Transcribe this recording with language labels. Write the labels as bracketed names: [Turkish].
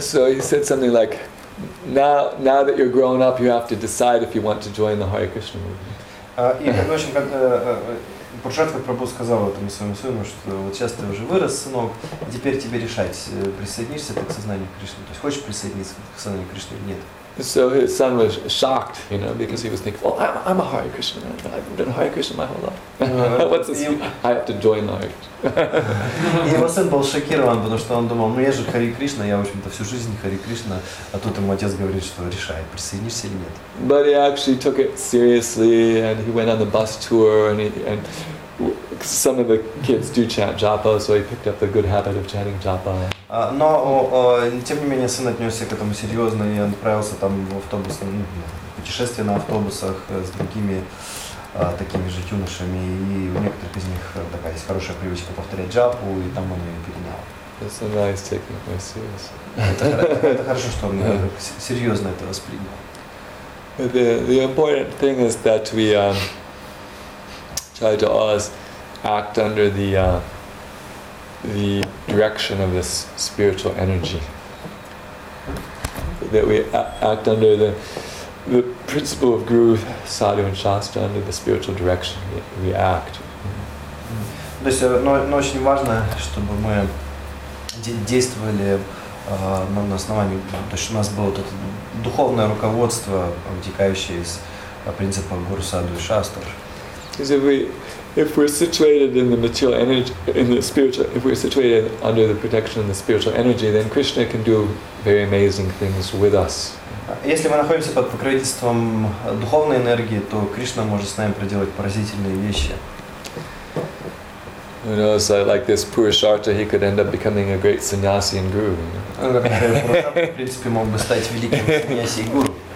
[English] so he said something like, now that you're grown up, you have to decide if you want to join the Hare Krishna movement. [Russian] Пуршатха Прабху сказал этому своему сыну, что вот сейчас ты уже вырос, сынок, и теперь тебе решать, присоединишься ты к сознанию Кришны, то есть хочешь присоединиться к сознанию Кришны или нет. [English] So his son was shocked, you know, because he was thinking, well, I'm a Hare Krishna man. I've been a Hare Krishna my whole life. What's this? I have to join the Hare Krishna. [Russian] Его сын был шокирован, потому что он думал, ну я же Хари Кришна, я, в общем-то, всю жизнь Хари Кришна, а тут ему отец говорит, что решает, присоединишься или нет. [English] But he actually took it seriously, and he went on the bus tour, and some of the kids do chant japa, so he picked up the good habit of chanting japa. [Russian] Но, тем не менее, сын отнесся к этому серьезно и отправился там в автобус, ну, путешествие на автобусах с другими такими же юношами, и у некоторых из них такая есть хорошая привычка повторять джапу, и там он ее перенял. [English] So nice, taking it more serious. [Russian] Это хорошо, что он серьезно это воспринял. [English] The important thing is that we try to always act under the direction of this spiritual energy, that we act under the principle of Guru, Sadhu, and Shastra, under the spiritual direction we act. [Russian] То есть, но очень важно, чтобы мы действовали на основании, то есть у нас было вот это духовное руководство, вытекающее из принципа Гуру, Садху и Шастр. [English] Because if we're situated in the material energy, in the spiritual, if we're situated under the protection of the spiritual energy, then Krishna can do very amazing things with us. [Russian] если мы находимся под покровительством духовной энергии, то Кришна может с нами проделать поразительные вещи. [English] Who knows, like this Purusharta, he could end up becoming a great sannyasi and guru. [Russian] Он, в принципе, мог бы стать великим сannyasi и гуру.